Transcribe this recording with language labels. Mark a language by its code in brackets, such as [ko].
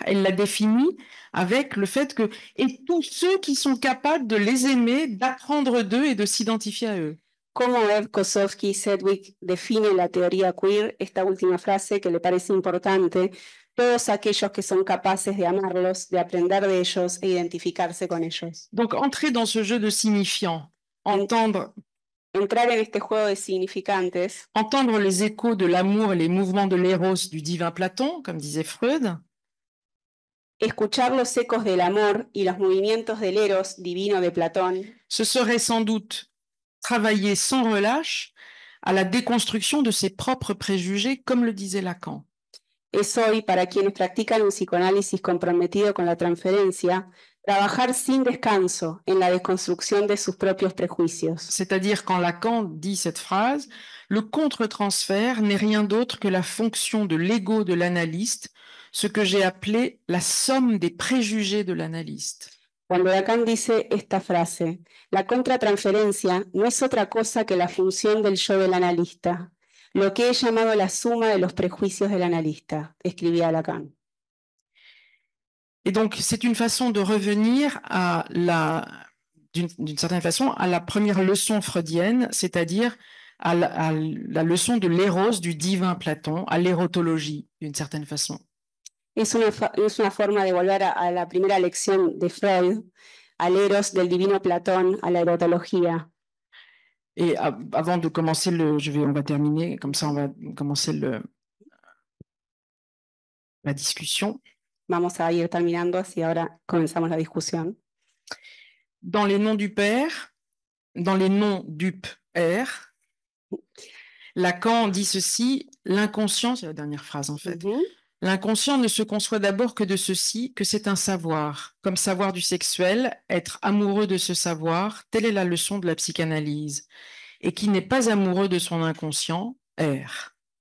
[fr] Elle la définit avec le fait que et tous ceux qui sont capables de les aimer, d'apprendre d'eux et de s'identifier à eux. Comment Eve Kosofsky-Sedgwick define la théorie queer? [es] Esta última frase que le parece importante. Todos aquellos que son capaces de amarlos, de aprender de ellos e identificarse con ellos. [fr] Donc entrer dans ce jeu de signifiant, entendre. [es] Entrar en este juego de significantes. [fr] Entendre les échos de l'amour et les mouvements de l'éros du divin Platon, comme disait Freud. [es] Escuchar los ecos del amor y los movimientos del eros divino de Platón. [fr] Ce serait sans doute travailler sans relâche à la déconstruction de ses propres préjugés, comme le disait Lacan. [es] Es hoy, para quienes practican un psicoanálisis comprometido con la transferencia, trabajar sin descanso en la deconstrucción de sus propios prejuicios. [fr] C'est-à-dire, quand Lacan dit cette phrase, le contre-transfert n'est rien d'autre que la fonction de l'ego de l'analyste, ce que j'ai appelé la somme des préjugés de l'analyste. [es] Cuando Lacan dice esta frase, la contratransferencia no es otra cosa que la función del yo del analista. Lo que he llamado la suma de los prejuicios del analista, escribía Lacan. [fr] Et donc, c'est une façon de revenir à la, d'une certaine façon, à la première leçon freudienne, c'est-à-dire à la leçon de l'éros du divin Platon, à l'érotologie, d'une certaine façon. [es] Es una forma de volver a la primera lección de Freud, al eros del divino Platón, a la erotología. [fr] Et avant de commencer le, on va terminer, comme ça on va commencer la discussion. [es] Vamos a ir terminando, así ahora comenzamos la discusión. [fr] Dans les noms du père, dans les noms du père, Lacan dit ceci, l'inconscient, c'est la dernière phrase en fait, l'inconscient ne se conçoit d'abord que de ceci, que c'est un savoir, comme savoir du sexuel, être amoureux de ce savoir, telle est la leçon de la psychanalyse, et qui n'est pas amoureux de son inconscient, R.